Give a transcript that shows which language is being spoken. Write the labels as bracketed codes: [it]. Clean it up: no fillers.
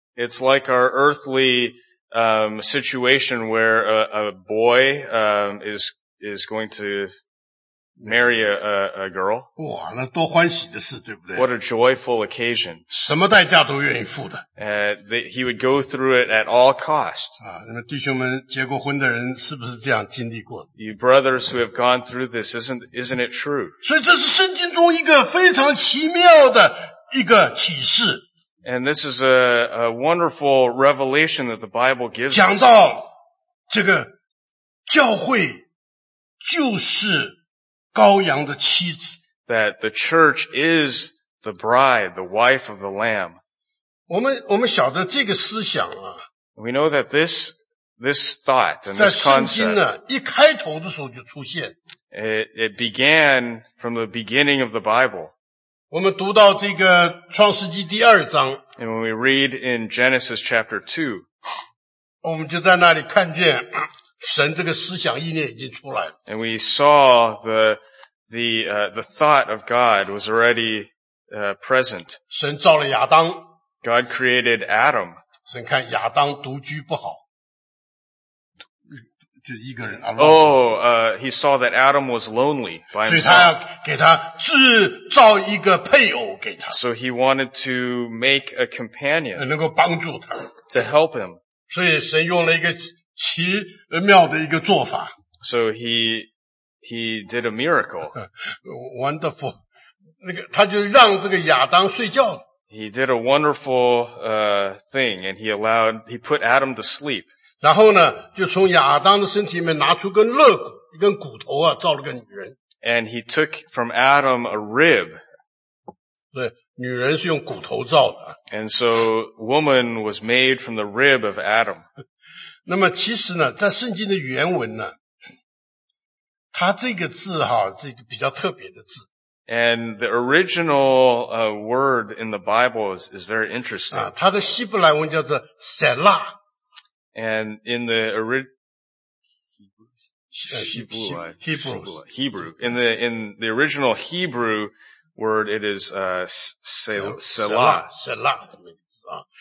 [en] It's like our earthly, situation where a boy, is going to marry a girl. [zh] 哇那多欢喜的事对不对 [en] What a joyful occasion. [zh] 什么代价都愿意付的。 [en] He would go through it at all cost. [zh] 那么弟兄们结过婚的人是不是这样经历过 [en] You brothers who have gone through this, isn't it true? [zh] 所以这是圣经中一个非常奇妙的一个启示。 [en] And this is a wonderful revelation that the Bible gives us. [zh] 讲到这个教会就是羔羊的妻子。 [en] That the church is the bride, the wife of the Lamb. [zh] 我们晓得这个思想啊。 [en] We know that this thought and this concept. [zh] 在圣经呢一开头的时候就出现。 [en] It began from the beginning of the Bible. [zh] 我们读到这个创世纪第二章 [en] And when we read in Genesis chapter 2, [zh] 我们就在那里看见神这个思想意念已经出来了 [en] And we saw the thought of God was already present. [zh] 神造了亚当 [en] God created Adam. [zh] 神看亚当独居不好就一个人 [en] Oh, he saw that Adam was lonely by himself. [zh] 所以他要给他制造一个配偶给他。 [en] So he wanted to make a companion. [zh] 能够帮助他。 [en] To help him. [zh] 所以神用了一个奇妙的一个做法。 [en] So he did a miracle. Wonderful. [zh] 那个他就让这个亚当睡觉。 [en] He did a wonderful, thing and he put Adam to sleep. [zh] 然后呢就从亚当的身体里面拿出根肋骨一根骨头啊造了个女人。 [en] And he took from Adam a rib. [zh] 对女人是用骨头造的。 [en] And so woman was made from the rib of Adam. [zh] 那么其实呢在圣经的原文呢它这个字哈这个比较特别的字。 [en] And the original, word in the Bible is very interesting. [zh] 啊它的希伯来文叫做 Selah。 [en] And in the original Hebrew word, it is, Selah. [zh] Selah 的名字啊。